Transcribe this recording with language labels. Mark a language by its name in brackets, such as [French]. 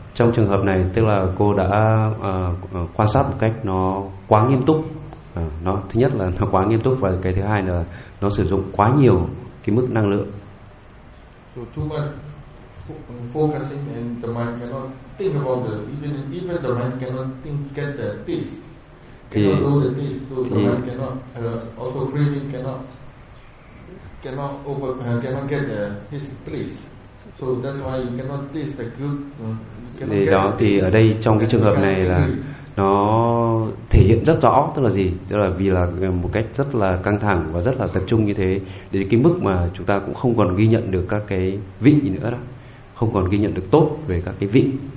[Vietnamese] Trong trường hợp này tức là cô đã quan sát một cách nó quá nghiêm túc. Nó thứ nhất là nó quá nghiêm túc và cái thứ hai là nó sử dụng quá nhiều cái mức năng lượng. [English] So too much focusing and the mind cannot think about the even the mind cannot think get the peace. [Vietnamese] Thì [English] cannot do the peace, so the mind cannot also breathing cannot get the his peace. So that's why you cannot taste the good. [Vietnamese] Thì đó thì ở đây trong cái trường hợp này là nó thể hiện rất rõ, tức là gì? Tức là vì là một cách rất là căng thẳng và rất là tập trung như thế, đến cái mức mà chúng ta cũng không còn ghi nhận được các cái vị nữa đó, không còn ghi nhận được tốt về các cái vị.